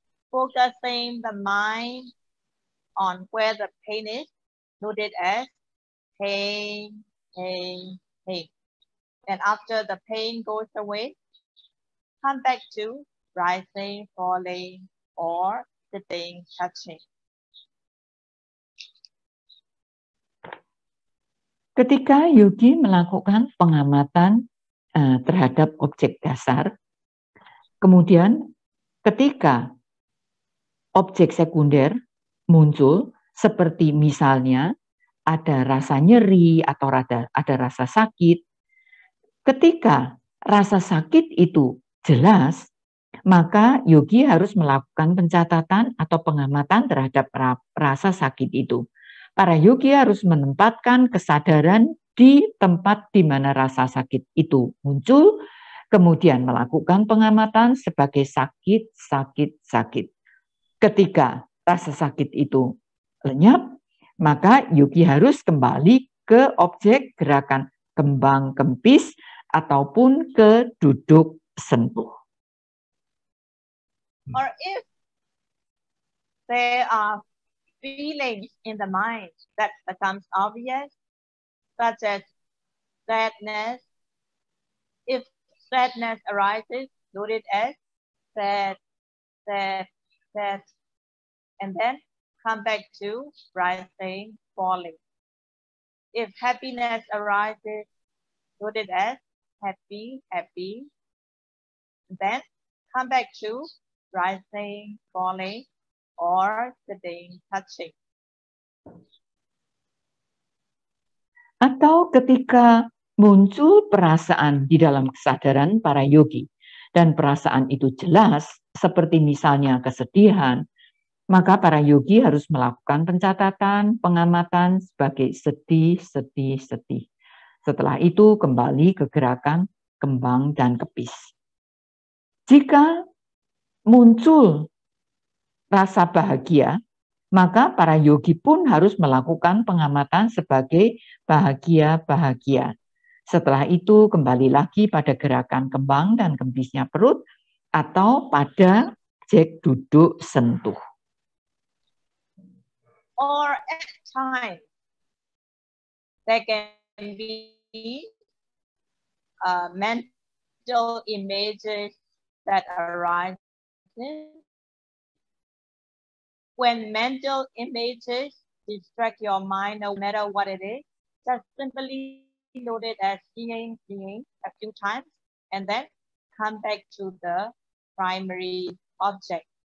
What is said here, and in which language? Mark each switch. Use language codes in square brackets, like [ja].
[en] Focusing the mind on where the pain is, note it as pain. And after the pain goes away, come back to rising, falling, or sitting, touching. [id] Ketika yogi melakukan pengamatan terhadap objek dasar, kemudian ketika objek sekunder muncul, seperti misalnya ada rasa nyeri atau ada rasa sakit, ketika rasa sakit itu jelas, maka yogi harus melakukan pencatatan atau pengamatan terhadap rasa sakit itu. Para yogi harus menempatkan kesadaran di tempat di mana rasa sakit itu muncul, kemudian melakukan pengamatan sebagai sakit. Ketika rasa sakit itu lenyap, maka yogi harus kembali ke objek gerakan kembang kempis ataupun ke duduk sentuh. [en] Or if there are feelings in the mind that becomes obvious, such as sadness, if sadness arises, note it as sad, and then come back to rising, falling. If happiness arises, put it as happy, happy. Then come back to rising, falling, or sitting, touching. [id] Atau ketika muncul perasaan di dalam kesadaran para yogi, dan perasaan itu jelas, seperti misalnya kesedihan, maka para yogi harus melakukan pencatatan, pengamatan sebagai sedih, sedih, sedih. Setelah itu kembali ke gerakan kembang dan kepis. Jika muncul rasa bahagia, maka para yogi pun harus melakukan pengamatan sebagai bahagia-bahagia. Setelah itu kembali lagi pada gerakan kembang dan kempisnya perut atau pada jek duduk sentuh. [en] Or at time, there can be mental images that arise. When mental images distract your mind, no matter what it is, just simply note it as seeing, seeing a few times, and then come back to the primary object.